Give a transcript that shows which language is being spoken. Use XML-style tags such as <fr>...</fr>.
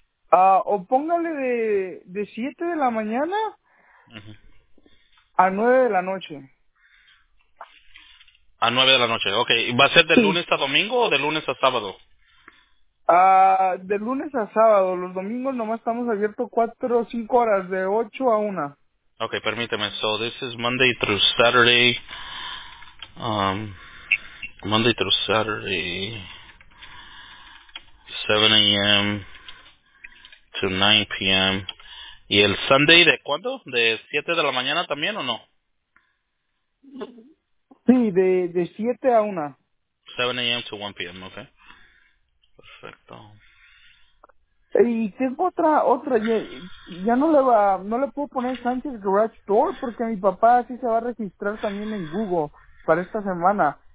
<es>O póngale de 7 de la mañana a 9 de la noche. A 9 de la noche, okay. ¿Va a ser de lunes a domingo o de lunes a sábado? De lunes a sábado, los domingos nomás estamos abiertos 4 o 5 horas, de 8 a 1.</es> <en>Ok,</en> <es>permíteme,</es> <en>so this is Monday through Saturday, Monday through Saturday, 7 a.m. to 9 p.m.</en> <es>¿Y el Sunday de cuándo? ¿De 7 de la mañana también o no? Sí, de 7 a 1.</es> <en>7 a.m. to 1 p.m., ok.</en> <es>Perfecto. Y tengo otra, ya no le puedo poner Sánchez Garage Door porque mi papá sí se va a registrar también en Google para esta semana.</es>